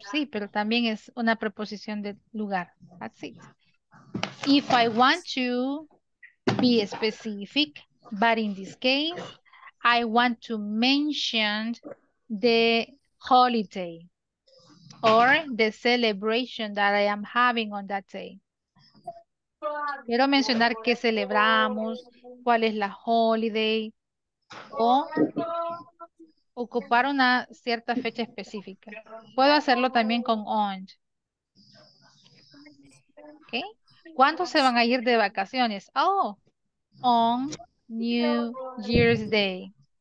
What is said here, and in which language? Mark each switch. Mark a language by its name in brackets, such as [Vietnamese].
[Spanish] Sí, pero también es una preposición de lugar. [English] That's it. If I want to be specific, but in this case, I want to mention the holiday or the celebration that I am having on that day. [Spanish] Quiero mencionar qué celebramos, cuál es la holiday, o ocupar una cierta fecha específica. Puedo hacerlo también con on. Okay. ¿Cuántos se van a ir de vacaciones? [English] Oh, on New Year's Day.